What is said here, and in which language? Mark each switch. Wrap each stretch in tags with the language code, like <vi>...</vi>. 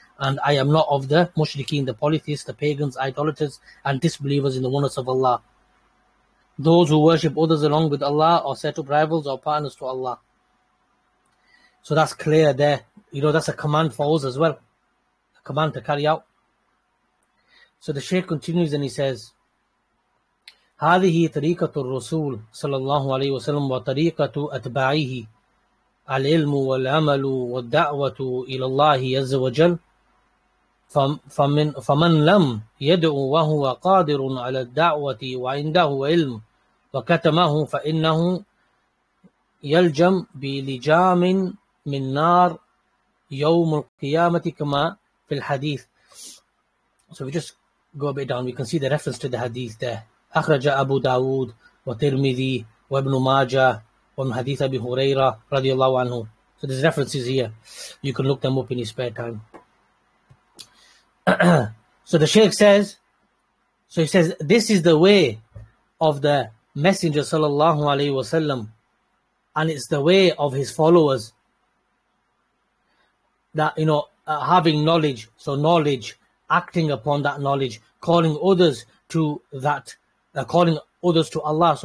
<en>And I am not of the mushrikeen, the polytheists, the pagans, idolaters, and disbelievers in the oneness of Allah. Those who worship others along with Allah, or set up rivals, or partners to Allah. So that's clear there. You know, that's a command for us as well. A command to carry out. So the Shaykh continues and he says,</en> <ar>هذه طريقة الرسول صلى الله عليه وسلم وطريقة أتباعه العلم والعمل والدعوة إلى الله عز وجل فمن لم يدعو وهو قادر على الدعوة وعنده علم وكتمه فإنه يلجم بلجام من نار يوم القيامة كما في الحديث.</ar> <en>So we just go a bit down, we can see the reference to the hadith there.</en> <ar>أخرج أبو داود وترمذي وابن ماجة ومن حديث أبي هريرة رضي الله عنه.</ar> <en>So there's references here, you can look them up in your spare time. So the Shaykh says, this is the way of the Messenger sallallahu alayhi wasallam, and it's the way of his followers, that, you know, having knowledge, so knowledge, acting upon that knowledge, calling others to that, calling others to Allah.</en>